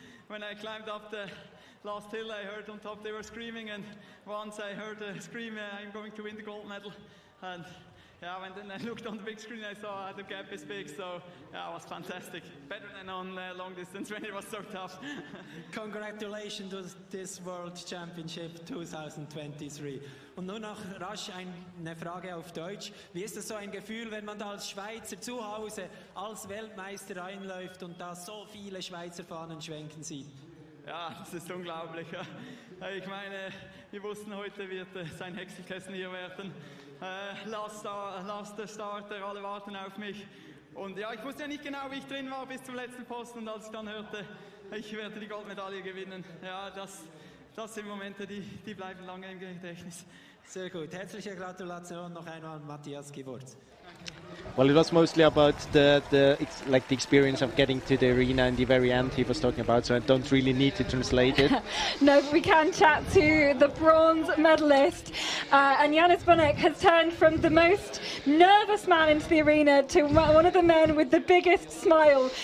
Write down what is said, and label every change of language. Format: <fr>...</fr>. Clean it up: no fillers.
<en>When I climbed up the last hill, I heard on top they were screaming. And once I heard a scream, I'm going to win the gold medal. And yeah, when then I looked on the big screen, I saw the gap is big, so yeah, it was fantastic. Better than on long distance when it was so tough. Congratulations to this World Championship 2023.</en> <de>Und nur noch rasch eine Frage auf Deutsch. Wie ist das so ein Gefühl, wenn man da als Schweizer zu Hause als Weltmeister einläuft und da so viele Schweizer Fahnen schwenken sieht? Ja, das ist unglaublich. Ich meine, wir wussten, heute wird sein Hexenkessel hier werden. Last Starter, alle warten auf mich. Und ja, ich wusste ja nicht genau, wie ich drin war bis zum letzten Posten. Und als ich dann hörte, ich werde die Goldmedaille gewinnen. Ja, das sind Momente, die bleiben lange im Gedächtnis. Sehr gut. Herzliche Gratulation noch einmal, Matthias Gewurz.</de> <en>Well, it was mostly about the experience of getting to the arena in the very end he was talking about, so I don't really need to translate it. No, but we can chat to the bronze medalist. And Yanis Bonek has turned from the most nervous man into the arena to one of the men with the biggest smile.</en>